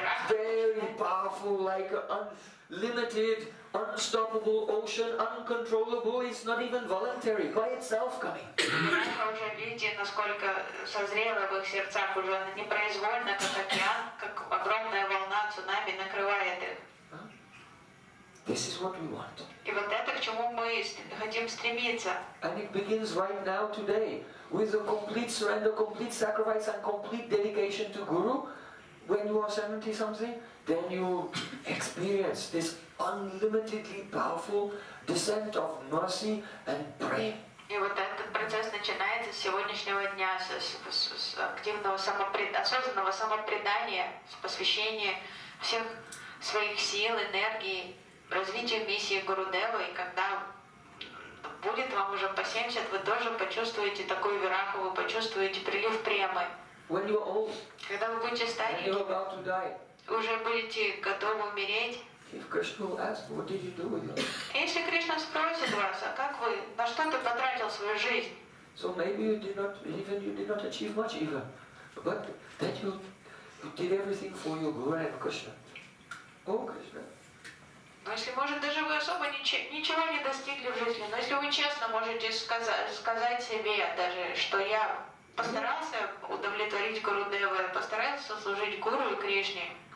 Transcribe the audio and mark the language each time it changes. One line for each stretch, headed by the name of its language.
English: Very powerful, like unlimited, unstoppable ocean, uncontrollable, it's not even voluntary, by itself coming.
Russian: Уже видите, насколько созрело в их сердцах, уже она непроизвольно, как океан, как огромная волна цунами накрывает их.
English: This is what we want.
Russian: И вот это к чему мы хотим стремиться.
English: And it begins right now, today, with a complete surrender, complete sacrifice, and complete dedication to Guru. When you are 70 something, then you experience this unlimitedly powerful descent of mercy and prayer.
Russian: И вот этот процесс начинается с сегодняшнего дня, с активного осознанного самопредания, с посвящения всех своих сил, энергии. Развитие миссии Гурудевы, и когда будет вам уже по 70, вы тоже почувствуете такую вираху, вы почувствуете прилив премы. Когда вы будете стареньки, уже будете готовы умереть. Если Кришна спросит вас, а как вы, на что ты потратил свою жизнь?
English: So maybe you did not achieve much even, but that you did everything for your Guru and Krishna. Oh, Krishna.
Russian: Но если, может, даже вы особо ничего не достигли в жизни, но если вы честно можете сказать себе даже, что я постарался удовлетворить Гуру Деву, постарался сослужить Гуру и Кришне.